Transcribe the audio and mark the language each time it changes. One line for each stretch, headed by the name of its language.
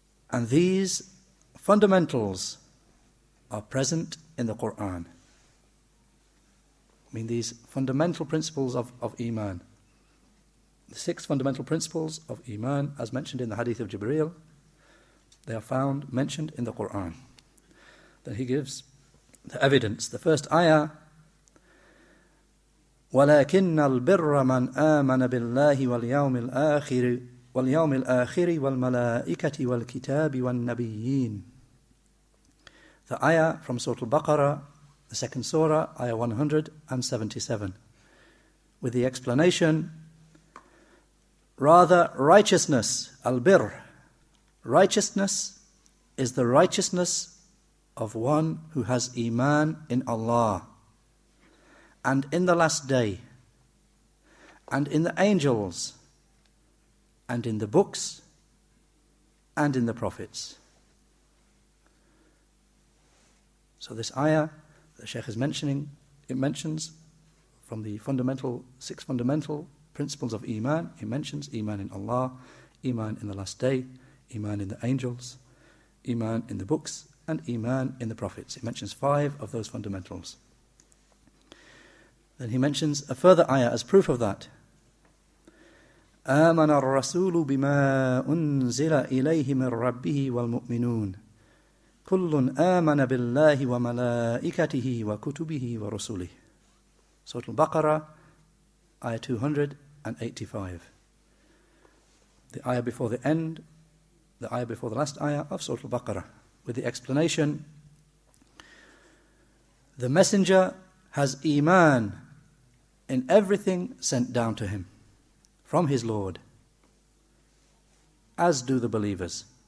English: And these fundamentals are present in the Qur'an. I mean these fundamental principles of Iman. The six fundamental principles of Iman, as mentioned in the hadith of Jibreel, they are found mentioned in the Qur'an. Then he gives the evidence.
Arabic: The first ayah, وَلَكِنَّ الْبِرَّ مَنْ آمَنَ بِاللَّهِ وَالْيَوْمِ الْآخِرِ وَالْيَوْمِ الْآخِرِ وَالْمَلَائِكَةِ وَالْكِتَابِ وَالنَّبِيِّينَ.
English: The ayah from Surah Al-Baqarah, the second surah, ayah 177, with the explanation, rather righteousness, al-birr, righteousness is the righteousness of one who has Iman in Allah, and in the last day, and in the angels, and in the books, and in the prophets. So this ayah the Shaykh is mentioning, it mentions from the fundamental, six fundamental principles of Iman, it mentions Iman in Allah, Iman in the last day, Iman in the angels, Iman in the books, and Iman in the prophets. It mentions five of those fundamentals. Then he mentions a further ayah as proof of that.
Arabic: آمن الرسول بما أنزل إليه من ربه والمؤمنون كلٌ آمن بالله وملائكته وكتبه ورسله.
English: Surah Al-Baqarah, ayah 285. The ayah before the end, the ayah before the last ayah of Surah Al-Baqarah, with the explanation, the messenger has Iman in everything sent down to him from his Lord, as do the believers.